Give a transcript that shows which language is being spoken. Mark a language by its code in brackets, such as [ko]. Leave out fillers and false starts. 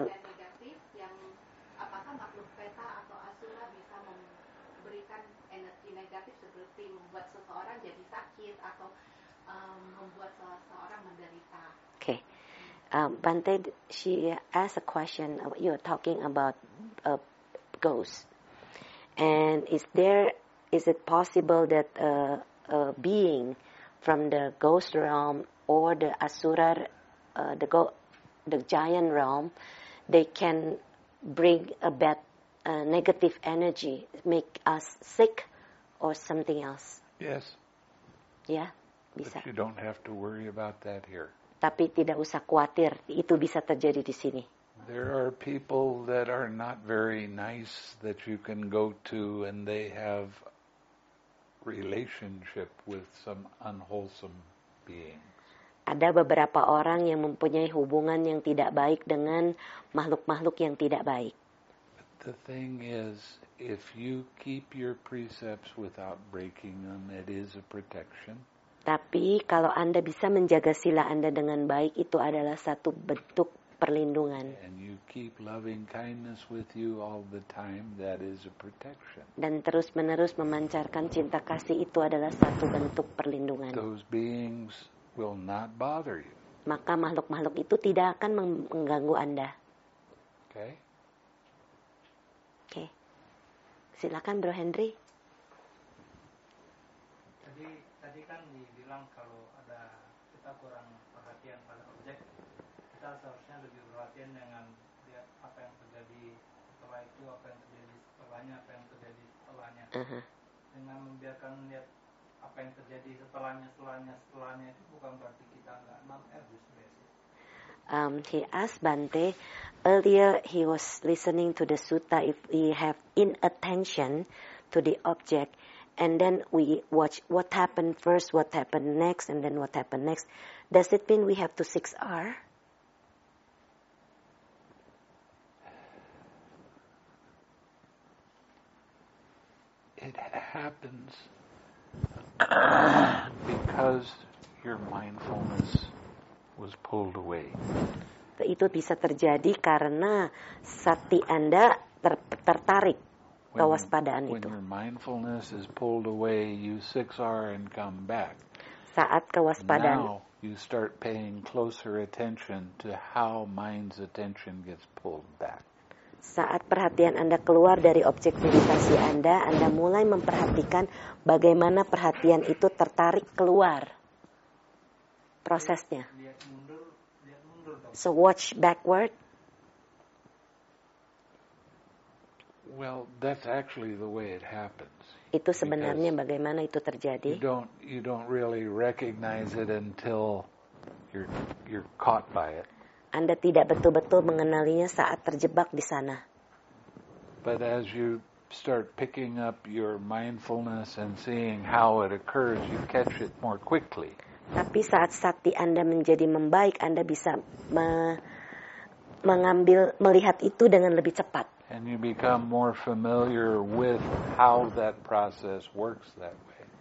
[id] Dan negatif yang apakah makhluk peta atau asura bisa memberikan energi negatif seperti membuat seseorang jadi sakit atau membuat seseorang menderita. [en] Oke. Okay. Bante, she asked a question. You're talking about ghosts. And is it possible that a being from the ghost realm or the asura, the giant realm, they can bring a bad, negative energy, make us sick or something else? Yes. [id] Yeah, bisa. [en] But you don't have to worry about that here. [id] Tapi tidak usah khawatir, itu bisa terjadi di sini. [en] There are people that are not very nice that you can go to and they have relationship with some unwholesome beings. [id] Ada beberapa orang yang mempunyai hubungan yang tidak baik dengan makhluk-makhluk yang tidak baik. [en] But the thing is, if you keep your precepts without breaking them, it is a protection. [id] Tapi kalau Anda bisa menjaga sila Anda dengan baik, itu adalah satu bentuk perlindungan. [en] And you keep loving kindness with you all the time, that is a protection. [id] Dan terus-menerus memancarkan cinta kasih, itu adalah satu bentuk perlindungan. [en] Those beings will not bother you. [id] Maka makhluk-makhluk itu tidak akan mengganggu Anda. [en] Okay. [id] Okay. Silakan Bro Henry. Tadi kan dibilang kalau ada kita kurang perhatian pada objek, kita seharusnya lebih perhatian dengan lihat apa yang terjadi setelah itu, apa yang terjadi setelahnya, apa yang terjadi setelahnya. Uh-huh. Dengan membiarkan lihat apa yang terjadi setelahnya itu bukan berarti kita enggak non-erbus. [en] He asked Bante, earlier he was listening to the sutta, if we have inattention to the object, and then we watch what happened first, what happened next, and then what happened next. Does it mean we have to 6R? It happens because your mindfulness was pulled away. [id] Itu bisa terjadi karena sati Anda tertarik. Kewaspadaan [en] when [id] itu. [en] When your mindfulness is pulled away, you 6R and come back. [id] Saat kewaspadaan. [en] Now you start paying closer attention to how mind's attention gets pulled back. [id] Saat perhatian Anda keluar dari objek meditasi Anda, Anda mulai memperhatikan bagaimana perhatian itu tertarik keluar. Prosesnya. Lihat mundur, [en] so watch backward. Well, that's actually the way it happens. [id] Itu sebenarnya [en] because [id] bagaimana itu terjadi. [en] You don't really recognize it until you're caught by it. [id] Anda tidak betul-betul mengenalinya saat terjebak di sana. [en] But as you start picking up your mindfulness and seeing how it occurs, you catch it more quickly. [id] Tapi saat sati Anda menjadi membaik, Anda bisa mengambil melihat itu dengan lebih cepat. [en] And you become more familiar with how that process works that way.